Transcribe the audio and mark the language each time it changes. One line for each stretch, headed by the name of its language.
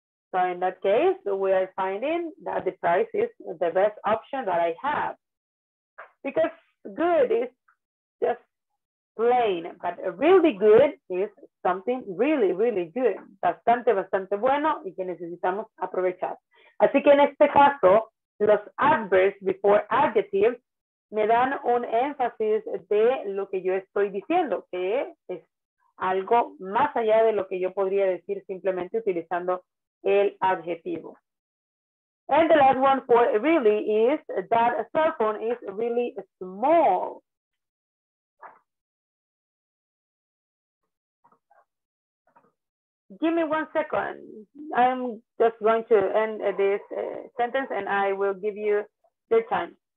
English: So in that case, we are finding that the price is the best option that I have. Because good is just plain, but really good is something really, really good.
Spanish: Bastante, bastante bueno y que necesitamos aprovechar. Así que en este caso, los
English: adverbs before adjectives
Spanish: me dan un énfasis de lo que yo estoy diciendo, que es algo más allá de lo que yo podría decir simplemente utilizando el adjetivo.
English: And the last one for really is that a cell phone is really small. Give me one second. I'm just going to end this sentence and I will give you the time.